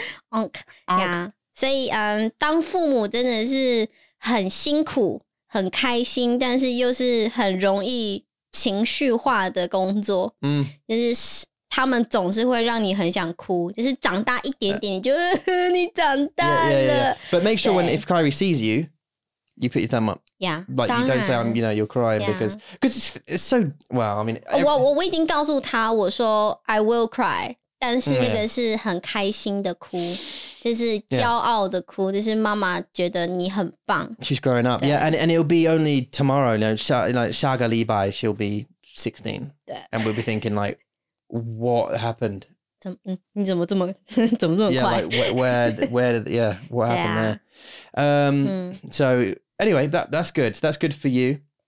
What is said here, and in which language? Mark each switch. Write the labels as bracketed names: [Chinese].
[Chinese] Onk 所以当父母真的是很辛苦很开心但是又是很容易情绪化的工作嗯，就是他们总是会让你很想哭就是长大一点点就你长大了 [English] But make sure when if Kyrie sees youyou put your thumb up. Yeah. But you don't say, you know, you're crying because it's so, well, I mean. [Chinese] 我已经告诉他我说 [English] I will cry, [Chinese] 但是那个是很开心的哭就是骄傲的哭就是妈妈觉得你很棒。 [English] She's growing up. Yeah, and it'll be only tomorrow, you know, [Chinese] 下个礼拜 [English] she'll be 16. And we'll be thinking like, what happened? [Chinese] 你怎么这么快? [English] Yeah, like what happened there? So anyway, that's good. That's good for you.